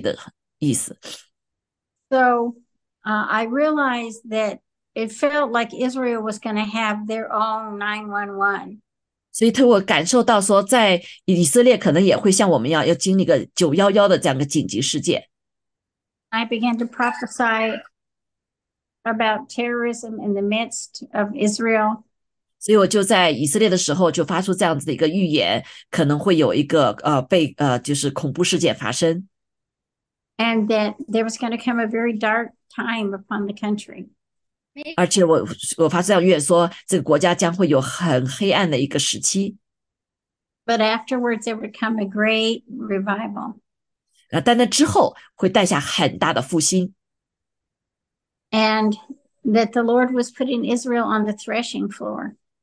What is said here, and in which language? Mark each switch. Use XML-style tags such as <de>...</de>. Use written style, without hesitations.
<zh>在这个911的一个概念，对我们来说是非常紧急的意思。So</zh> <en>I realized that it felt like Israel was going to have their own 911.</en> <zh>所以，我感受到说，在以色列可能也会像我们一样，要经历个911的这样的紧急事件。I</zh> <en>began to prophesy about terrorism in the midst of Israel.</en> <zh>所以我就在以色列的时候就发出这样子的一个预言，可能会有一个恐怖事件发生。And</zh> <en>that there was going to come a very dark time upon the country.</en> <zh>而且我发这样预言说，这个国家将会有很黑暗的一个时期。But</zh> <en>afterwards, there would come a great revival.</en> <zh>但那之后会带下很大的复兴。And</zh> <en>that the Lord was putting Israel on the threshing floor.</en>